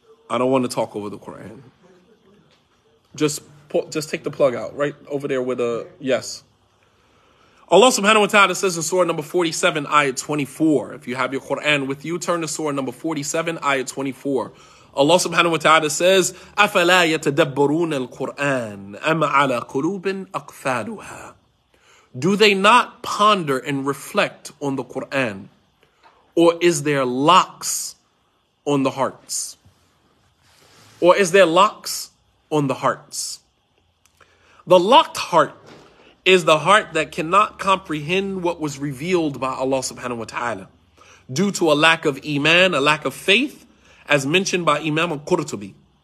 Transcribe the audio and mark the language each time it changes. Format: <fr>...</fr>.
<en>I don't want to talk over the Quran. Just take the plug out right over there with a yes. Allah subhanahu wa ta'ala says in surah number 47, ayah 24. If you have your Quran with you, turn to surah number 47, ayah 24. Allah subhanahu wa ta'ala says,</en> <ar>أَفَلَا يَتَدَبَّرُونَ الْقُرْآنَ أَمْ عَلَى قُلُوبٍ أَقْفَالُهَا.</ar> <en>Do they not ponder and reflect on the Quran? Or is there locks on the hearts? Or is there locks on the hearts? The locked heart is the heart that cannot comprehend what was revealed by Allah subhanahu wa ta'ala due to a lack of iman, a lack of faith, as mentioned by Imam al-Qurtubi.</en>